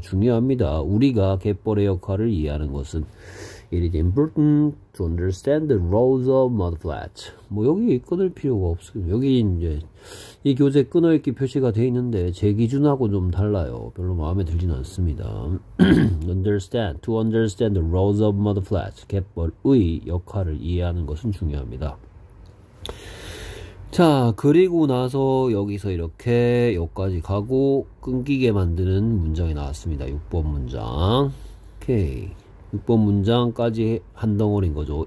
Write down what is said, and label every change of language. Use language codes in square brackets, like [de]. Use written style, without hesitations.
[ko] 중요합니다. 우리가 갯벌의 역할을 이해하는 것은 [en] It is important to understand the roles of mud flats. [ko] 뭐 여기 끊을 필요가 없어요. 여기 이제 이 교재 끊어읽기 표시가 돼 있는데 제 기준하고 좀 달라요. 별로 마음에 들진 않습니다. [en] Understand, to understand the roles of mud flats. [ko] 갯벌의 역할을 이해하는 것은 중요합니다. 자, 그리고 나서 여기서 이렇게 여기까지 가고 끊기게 만드는 문장이 나왔습니다. 6번 문장. 오케이. 6번 문장까지 한 덩어리인 거죠.